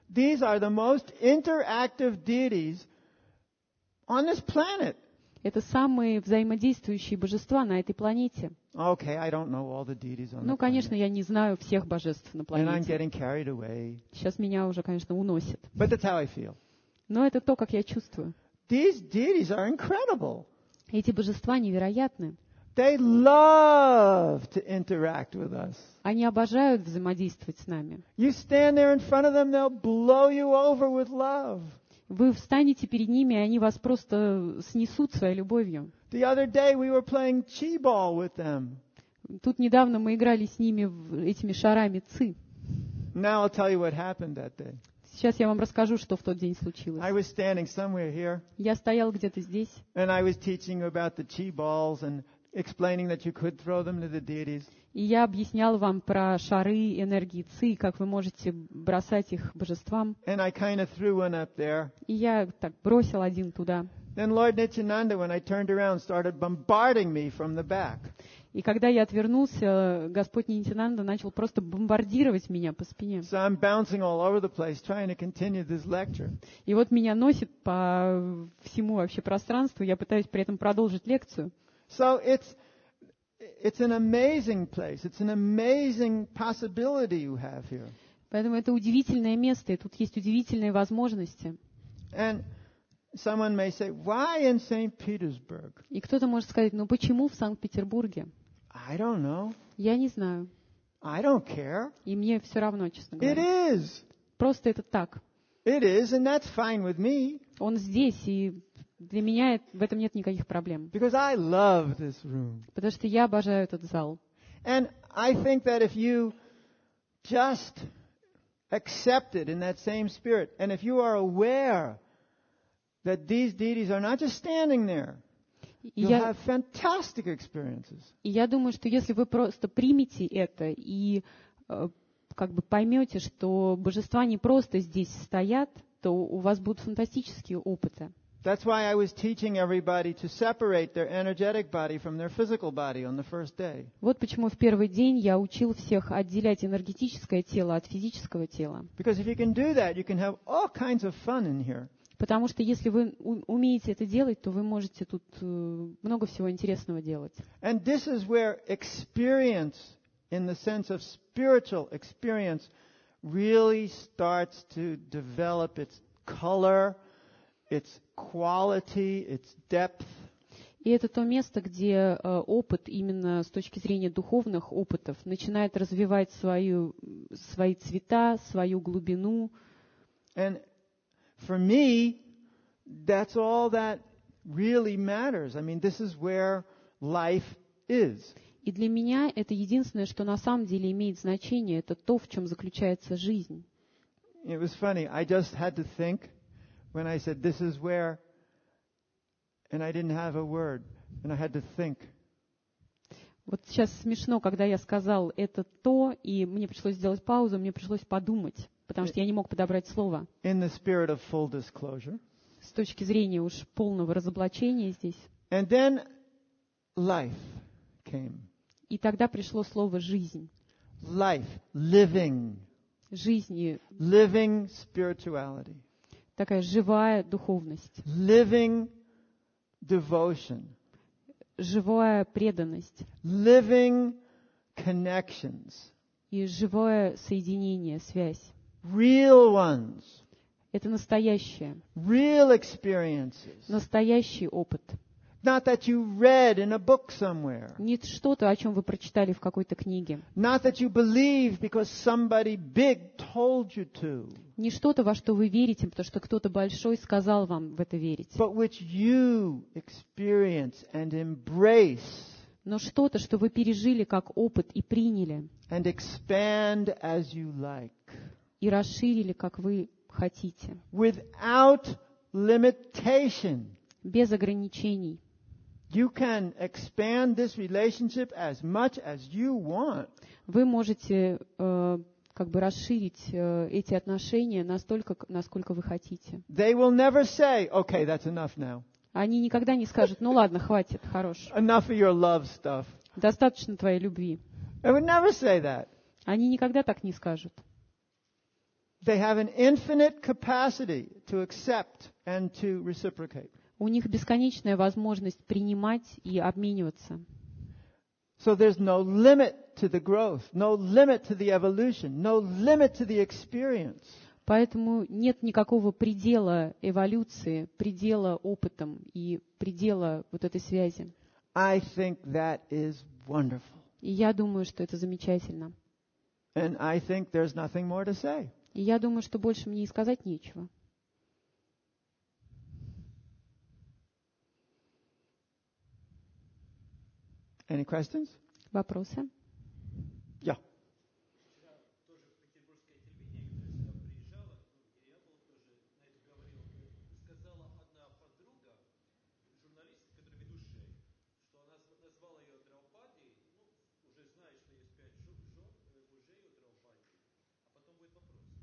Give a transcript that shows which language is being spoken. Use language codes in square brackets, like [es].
[en] These are the most interactive deities on this planet. [ru] Это самые взаимодействующие божества на этой планете. [en] Okay, I don't know all the deities on [ru] ну, конечно, [en] the planet. [ru] Я не знаю всех божеств на планете. [en] And I'm getting carried away. [ru] Сейчас меня уже, конечно, уносит. [en] But that's how I feel. [ru] Но это то, как я чувствую. [en] These deities are incredible. [ru] Эти божества невероятны. [en] They love to interact with us. [ru] Они обожают взаимодействовать с нами. [en] You stand there in front of them, they'll blow you over with love. [ru] Вы встанете перед ними, и они вас просто снесут своей любовью. [en] The other day we were playing chi ball with them. [ru] Тут недавно мы играли с ними этими шарами ци. [en] Now I'll tell you what happened that day. [ru] Сейчас я вам расскажу, что в тот день случилось. [en] I was standing somewhere here. [ru] Я стоял где-то здесь. [en] And I was teaching about the chi balls and explaining that you could throw them to the deities. [ru] И я объяснял вам про шары энергии ци, как вы можете бросать их божествам. [en] And I kind of threw one up there. [ru] И я так бросил один туда. [en] Then Lord Nityananda, when I turned around, started bombarding me from the back. [ru] И когда я отвернулся, Господь Нитинанда начал просто бомбардировать меня по спине. [en] So I'm bouncing all over the place, trying to continue this lecture. [ru] И вот меня носит по всему вообще пространству, я пытаюсь при этом продолжить лекцию. [en] So it's an amazing place. It's an amazing possibility you have here. [ru] Поэтому это удивительное место, и тут есть удивительные возможности. [en] And Someone may say, "Why in St. Petersburg?" [ru] И кто-то может сказать: "Ну почему в Санкт-Петербурге?" [en] I don't know. [ru] Я не знаю. [en] I don't care. [ru] И мне все равно, честно говоря. [en] It is. [ru] Просто это так. [en] It is, and that's fine with me. [ru] Он здесь, и для меня в этом нет никаких проблем. [en] Because I love this room. [ru] Потому что я обожаю этот зал. [en] And I think that if you just accept it in that same spirit, and if you are aware that these deities are not just standing there, you'll have fantastic experiences. [ru] Я думаю, что если вы просто примете это и как бы поймете, что божества не просто здесь стоят, то у вас будут фантастические опыты. [en] That's why I was teaching everybody to separate their energetic body from their physical body on the first day. [ru] Вот почему в первый день я учил всех отделять энергетическое тело от физического тела. [en] Because if you can do that, you can have all kinds of fun in here. [ru] Потому что если вы умеете это делать, то вы можете тут много всего интересного делать. [en] And this is where experience, in the sense of spiritual experience, really starts to develop its color, its quality, its depth. [ru] И это то место, где опыт именно с точки зрения духовных опытов начинает развивать свои цвета, свою глубину. [en] And for me, that's all that really matters. I mean, this is where life is. [ru] И для меня это единственное, что на самом деле имеет значение, это то, в чем заключается жизнь. [en] It was funny. I just had to think when I said this is where, and I didn't have a word, and I had to think. [ru] Вот сейчас смешно, когда я сказал это то, и мне пришлось сделать паузу, мне пришлось подумать, потому что я не мог подобрать слово. [en] In the spirit of full disclosure. [ru] С точки зрения уж полного разоблачения здесь. [en] And then life came. [ru] И тогда пришло слово жизнь. [en] Life, living. [ru] Жизнь. [en] Living spirituality. [ru] Такая живая духовность. [en] Living devotion. [ru] Живая преданность. [en] Living connections. [ru] И живое соединение, связь. [en] Real ones. [ru] Это настоящее. [en] Real experiences. [ru] Настоящий опыт. [en] Not that you read in a book somewhere. [ru] Не что-то, о чем вы прочитали в какой-то книге. [en] Not that you believe because somebody big told you to. [ru] Не что-то, во что вы верите, потому что кто-то большой сказал вам в это верить. [en] But which you experience and embrace. [ru] Но что-то, что вы пережили как опыт и приняли. [en] And expand as you like. [ru] И расширили, как вы хотите. [en] Without limitation. [ru] Без ограничений. [en] You can expand this relationship as much as you want. [ru] Вы можете как бы расширить эти отношения настолько, насколько вы хотите. [en] They will never say, "Okay, that's enough now." [ru] Они никогда не скажут: "Ну ладно, хватит, хорош." [en] Enough of your love stuff. [ru] Достаточно твоей любви. [en] They will never say that. [ru] Они никогда так не скажут. [en] They have an infinite capacity to accept and to reciprocate. [ru] У них бесконечная возможность принимать и обмениваться. [en] So there's no limit to the growth, no limit to the evolution, no limit to the experience. [ru] Поэтому нет никакого предела эволюции, предела опытом и предела вот этой связи. [en] I think that is wonderful. [ru] И я думаю, что это замечательно. [en] And I think there's nothing more to say. [ru] И я думаю, что больше мне и сказать нечего. [en] Any questions? [ru] Вопросы? Я. Вчера тоже в петербургское телевидение, которое сюда приезжало, и я был тоже на это говорил, сказала одна подруга, журналист, которая ведущая, что она назвала ее Драупадой, ну, уже знает, что есть пять жен, уже ее Драупадой, а потом будет вопрос.